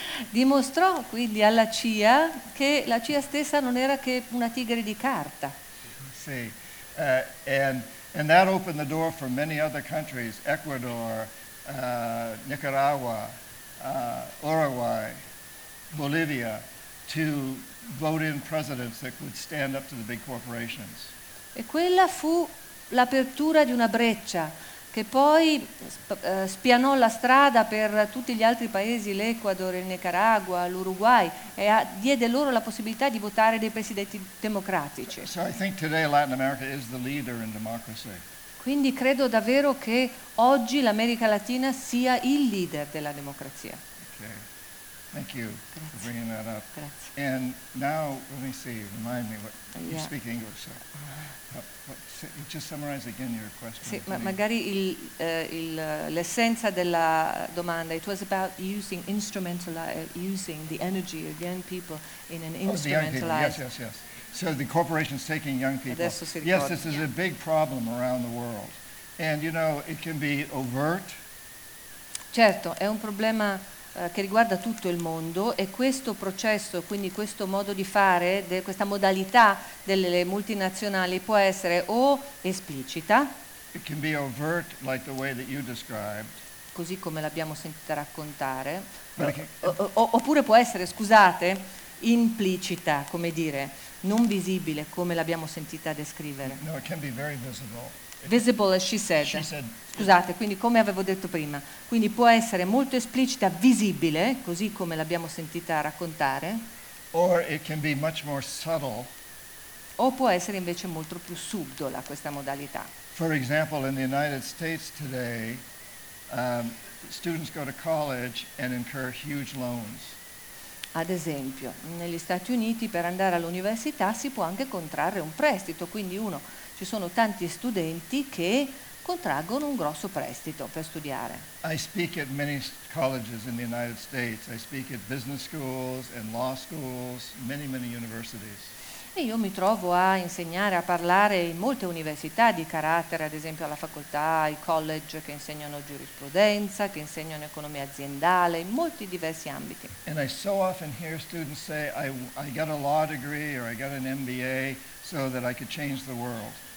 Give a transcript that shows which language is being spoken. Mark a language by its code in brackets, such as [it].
[it] Dimostrò quindi alla CIA che la CIA stessa non era che una tigre di carta. [en] Sì, and that opened the door for many other countries, Ecuador, Nicaragua, Uruguay, Bolivia, to vote in presidents that would stand up to the big corporations. [it] E quella fu l'apertura di una breccia che poi spianò la strada per tutti gli altri paesi, l'Ecuador, il Nicaragua, l'Uruguay, e diede loro la possibilità di votare dei presidenti democratici. [en] So I think today Latin America is the leader in democracy. [it] Quindi credo davvero che oggi l'America Latina sia il leader della democrazia. [en] Okay. Thank you. [it] Grazie. [en] For bringing that up. [it] Grazie. [en] And now, let me see, remind me, what, yeah. You speak English, so. But just summarize again your question. [it] Sì, ma magari l'essenza della domanda, [en] it was about using the energy of young people in an instrumentalized. Oh, yes. So the corporations taking young people. [it] Adesso si ricorda. [en] Yes, this is a big problem around the world. And you know, it can be overt. [it] Certo, è un problema che riguarda tutto il mondo, e questo processo, quindi questo modo di fare, questa modalità delle multinazionali può essere o esplicita. [en] It can be overt like the way that you described. [it] Così come l'abbiamo sentita raccontare. Oppure può essere, scusate, implicita, come dire, non visibile, come l'abbiamo sentita descrivere. [en] No, it can be very visible. Visible, as she said. She said. [it] Scusate, quindi come avevo detto prima, quindi può essere molto esplicita, visibile, così come l'abbiamo sentita raccontare. [en] Or it can be much more subtle. [it] O può essere invece molto più subdola questa modalità. [en] For example, in the United States today, students go to college and incur huge loans. [it] Ad esempio, negli Stati Uniti per andare all'università si può anche contrarre un prestito, quindi ci sono tanti studenti che contraggono un grosso prestito per studiare. [en] I speak at many colleges in the United States. I speak at business schools and law schools, many universities. [it] Io mi trovo a insegnare, a parlare in molte università di carattere, ad esempio alla facoltà, ai college che insegnano giurisprudenza, che insegnano economia aziendale, in molti diversi ambiti. [en] And I so often hear students say, I got a law degree or I got an MBA so that I could change the world.